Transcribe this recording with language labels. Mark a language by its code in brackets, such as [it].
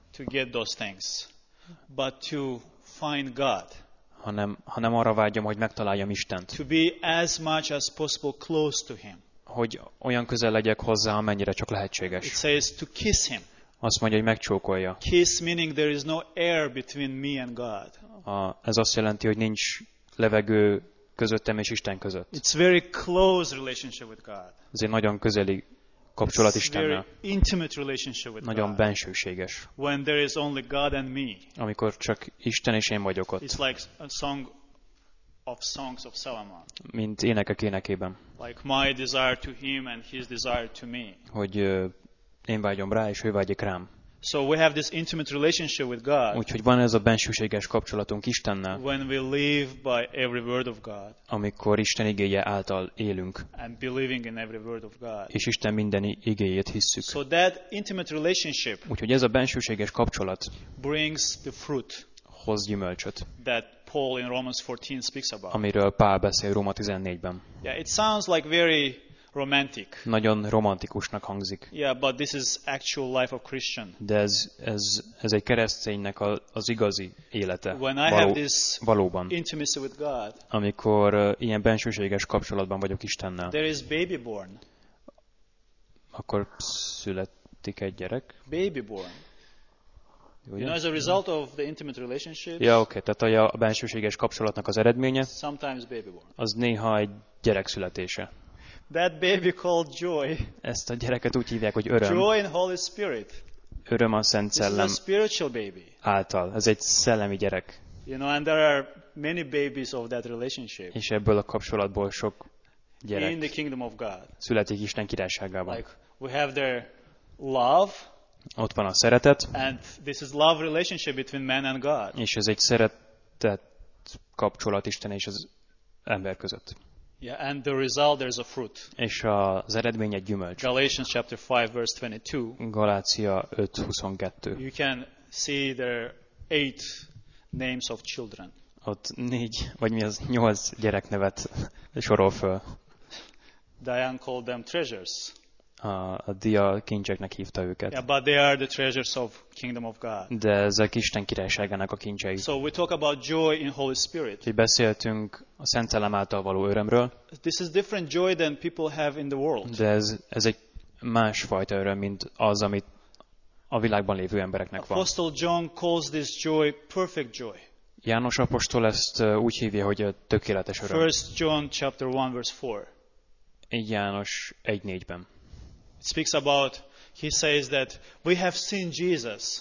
[en] To get those things, but to find God. [hu] Hanem arra vágyom, hogy megtaláljam Istent. [en] To be as much as possible close to Him. [hu] Hogy olyan közel legyek hozzá, amennyire csak lehetséges. [en] It says to kiss Him. [hu] Azt mondja, hogy megcsókolja. [en] Kiss meaning there is no air between me and God. [hu] Ez azt jelenti, hogy nincs levegő közöttem és Isten között. [en] It's very close relationship with God. [hu] Ez egy nagyon közeli kapcsolat Istennel. [en] It's very intimate relationship with God. [hu] Nagyon bensőséges. [en] When there is only God and me. [hu] Amikor csak Isten és én vagyok ott. [en] It's like a song of songs of Solomon. [hu] Mint énekek énekében. [en] Like my desire to him and his desire to me. [hu] Hogy én vágyom rá és ő vágyik rám. [en] So we have this intimate relationship with God. [hu] Úgyhogy van ez a bensőséges kapcsolatunk Istennel. [en] When we live by every word of God. [hu] Amikor Isten igéje által élünk. [en] And believing in every word of God. [hu] És Isten minden igéjét hisszük. [en] So that intimate relationship. [hu] Úgyhogy ez a bensőséges kapcsolat. [en] Brings the fruit. [hu] Hoz gyümölcsöt. [en] That Paul in Romans 14 speaks about. [hu] Amiről Pál beszél Róma 14-ben. [en] Yeah, it sounds like very romantic. [hu] Nagyon romantikusnak hangzik. [en] Yeah, but this is actual life of Christian. [hu] De ez egy kereszténynek az igazi élete. [en] When I [hu] való, [en] have this [hu] valóban. [en] Intimacy with God. [hu] Amikor ilyen bensőséges kapcsolatban vagyok Istennel. [en] There is baby born. [hu] Akkor születik egy gyerek. [en] Baby born. You know, as a result of the intimate relationships. Ja, oké, okay. [hu] Tehát a bensőséges kapcsolatnak az eredménye. [en] Sometimes baby born. [hu] Az néha egy gyerek születése. [en] That baby called joy. [hu] Ezt a gyereket úgy hívják, hogy öröm. [en] Joy in Holy Spirit. [hu] Öröm a Szent Szellem. [en] This is a spiritual baby. [hu] Által. Ez egy szellemi gyerek. [en] You know, and there are many babies of that relationship. [hu] És ebből a kapcsolatból sok gyerek. [en] In the kingdom of God. [hu] Születik Isten királyságában. [en] Like we have their love. [hu] Ott van a szeretet. [en] And this is love relationship between man and God. [hu] És ez egy szeretet kapcsolat Isten és az ember között. [en] Yeah, and the result there is a fruit. [hu] És az eredmény egy gyümölcs. [en] Galatians chapter 5 verse 22. [hu] Galácia 5:22. [en] You can see there are 8 names of children. [hu] Ott 4 vagy mi az 8 gyerek nevet sorol föl. [en] Diane called them treasures. [hu] A Dia kincseknek hívta őket. [en] Yeah, but they are the treasures of kingdom of God. [hu] De ezek Isten királyságának a kincsei. [en] So we talk about joy in Holy Spirit. [hu] Mi beszéltünk a Szent Szellem által való örömről. [en] This is different joy than people have in the world. [hu] De ez egy másfajta öröm, mint az, amit a világban lévő embereknek van. [en] Apostle John calls this joy perfect joy. [hu] János apostol ezt úgy hívja, hogy a tökéletes öröm. [en] 1 John chapter 1 verse 4. [hu] Egy János 1:4-ben. [en] Speaks about, he says that we have seen Jesus.